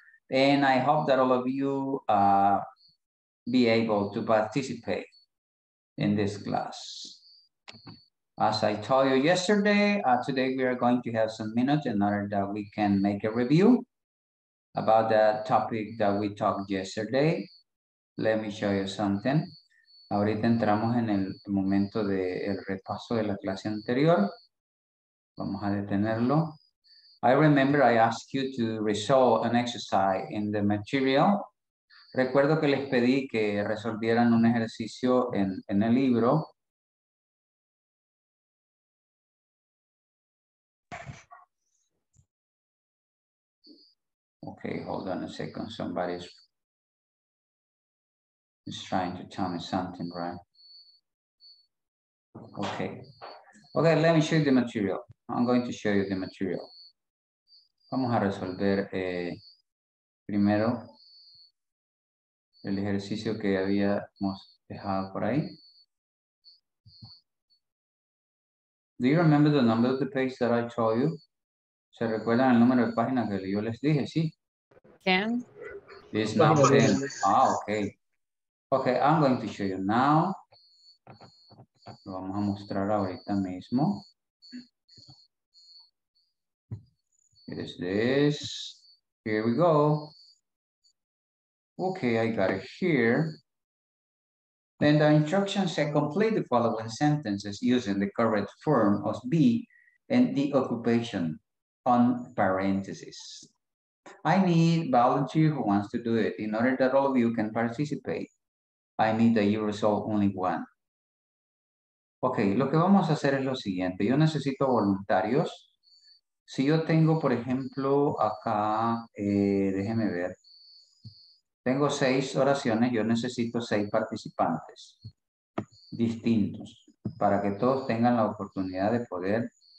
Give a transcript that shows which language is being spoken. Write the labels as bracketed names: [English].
[English] And I hope that all of you be able to participate in this class. As I told you yesterday, today we are going to have some minutes in order that we can make a review about the topic that we talked yesterday. Let me show you something. [Spanish] Ahorita entramos en el momento del repaso de la clase anterior. Vamos a detenerlo. [English] I remember I asked you to resolve an exercise in the material. [Spanish] Recuerdo que les pedí que resolvieran un ejercicio en el libro. [English] Okay, hold on a second. Somebody's is trying to tell me something, right? Okay. Okay, let me show you the material. I'm going to show you the material. [Spanish] Vamos a resolver primero el ejercicio que habíamos dejado por ahí. [English] Do you remember the number of the page that I told you? [Spanish] ¿Se recuerdan el número de páginas que yo les dije? Sí. Can. [English] It's not 10. Ah, okay. Okay, I'm going to show you now. [Spanish] Lo vamos a mostrar ahorita mismo. [English] It is this. Here we go. Okay, I got it here. Then the instructions say complete the following sentences using the correct form of be and the occupation on parentheses. I need volunteer who wants to do it in order that all of you can participate. I need that you resolve only one. [Spanish] Okay, lo que vamos a hacer es lo siguiente. Yo necesito voluntarios. Si yo tengo, por ejemplo, acá, déjeme ver. Tengo 6 oraciones, yo necesito 6 participantes distintos para que todos tengan la oportunidad de poder.